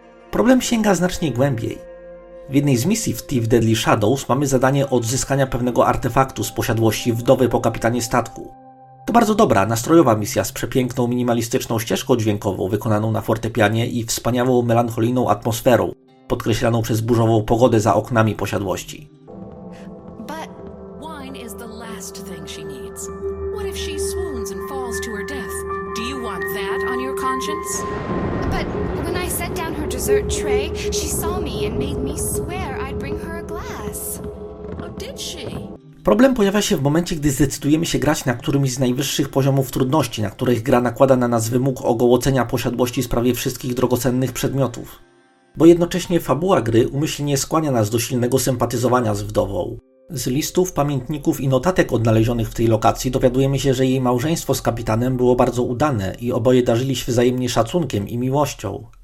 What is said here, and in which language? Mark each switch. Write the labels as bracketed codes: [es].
[pl] Problem sięga znacznie głębiej. W jednej z misji w Thief Deadly Shadows mamy zadanie odzyskania pewnego artefaktu z posiadłości wdowy po kapitanie statku. To bardzo dobra, nastrojowa misja z przepiękną, minimalistyczną ścieżką dźwiękową wykonaną na fortepianie i wspaniałą, melancholijną atmosferą, podkreślaną przez burzową pogodę za oknami posiadłości. [en] But wine is the last thing she needs. What if she swoons and falls to her death? Do you want that on your conscience? But when I set down her dessert tray, she saw me and made me swear I'd bring her a glass. Oh, did she? [pl] Problem pojawia się w momencie, gdy zdecydujemy się grać na którymś z najwyższych poziomów trudności, na których gra nakłada na nas wymóg ogołocenia posiadłości z prawie wszystkich drogocennych przedmiotów. Bo jednocześnie fabuła gry umyślnie skłania nas do silnego sympatyzowania z wdową. Z listów, pamiętników i notatek odnalezionych w tej lokacji dowiadujemy się, że jej małżeństwo z kapitanem było bardzo udane i oboje darzyli się wzajemnie szacunkiem i miłością.